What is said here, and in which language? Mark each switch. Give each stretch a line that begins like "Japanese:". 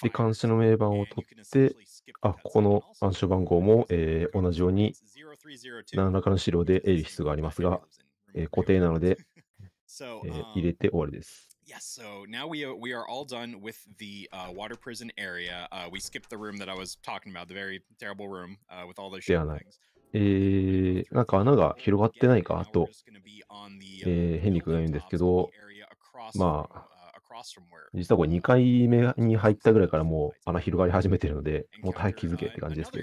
Japanese: で、監視の名板を取って、ここの暗証番号も、同じように何らかの資料で得る必要がありますが、固定なので、入れて終わりです。
English: Yes, so now we are all done with the water prison area. We skipped the room that I was talking about, the very terrible room with all those shit things.
Japanese: なんか穴が広がってないかと、ヘンリー君が言うんですけど、実はこれ2回目に入ったぐらいからもう穴広がり始めてるので、もう大気づけって感じですけど、